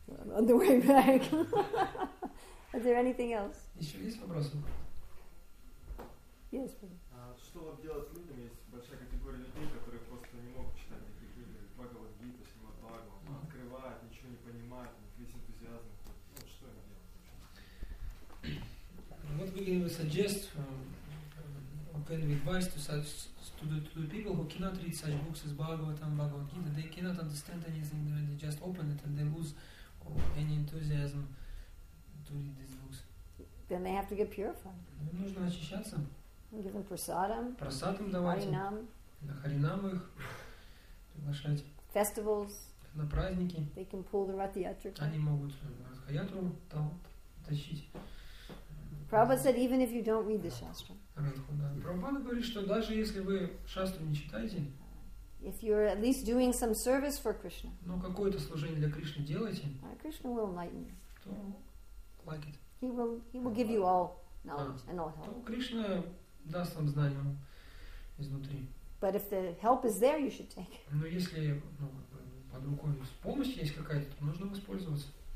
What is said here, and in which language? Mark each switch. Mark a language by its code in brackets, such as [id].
[en] On the way back. Is there anything else? [ru] Еще есть вопросы? [en] Yes, please. [ru] Что вот делать с людьми? Есть большая категория людей, которые просто не могут читать такие книги, Бхагавад Гита, Симат Бхагавад, открывают, ничего не понимают, весь энтузиазм. Вот что им делать? [en] What will you suggest? What can we advise to such to the people who cannot read such books as Bhagavad and Bhagavad Gita? They cannot understand anything. They just open it and they lose any enthusiasm to read these books. Then they have to get purified. [ru] Им нужно очищаться. [en] Give them prasadam. [ru] Prasadam давать. Харинам. На харинам их приглашать. [en] Festivals. [ru] На праздники. [en] They can pull the ratiyatra. [ru] Они могут ратхаятру тащить. [en] Prabhupada said even if you don't read the shastra. [ru] Прабхупада говорит, что даже если вы шастру не читаете. [en] If you're at least doing some service for Krishna. [ru] Но какое-то служение для Кришны делаете. [en] Krishna will enlighten you. То like it. He will give you all knowledge and all help. [ru] То Кришна даст вам знания изнутри. [en] But if the help is there, you should take. [ru] Но если под рукой помощь есть какая-то, то нужно воспользоваться.